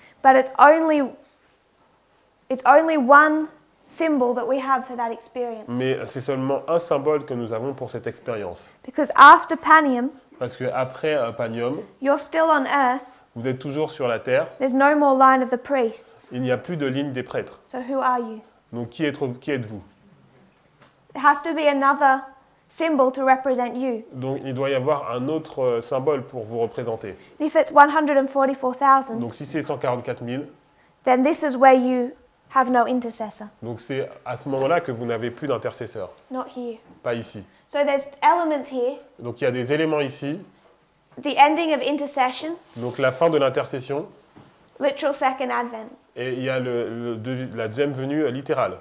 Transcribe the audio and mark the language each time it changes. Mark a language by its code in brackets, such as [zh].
[en] But it's only one symbol that we have for that experience. [fr] Mais c'est seulement un symbole que nous avons pour cette expérience. [en] Because after Panium, [fr] parce que après Panium, [en] you're still on earth. [fr] Vous êtes toujours sur la terre. [en] There's no more line of the priests. [fr] Il n'y a plus de ligne des prêtres. [en] So who are you? [fr] Donc qui êtes-vous? [en] There has to be another symbol to represent you. [fr] Donc il doit y avoir un autre symbole pour vous représenter. [en] If it's 144,000. [fr] Donc si c'est 144,000. [en] Then this is where you have no intercessor. [fr] Donc c'est à ce moment-là que vous n'avez plus d'intercesseur. [en] Not here. [fr] Pas ici. [en] So there's elements here. [fr] Donc il y a des éléments ici. [en] The ending of intercession. [fr] Donc la fin de l'intercession. [en] Literal second advent. [fr] Et il y a la deuxième venue littérale.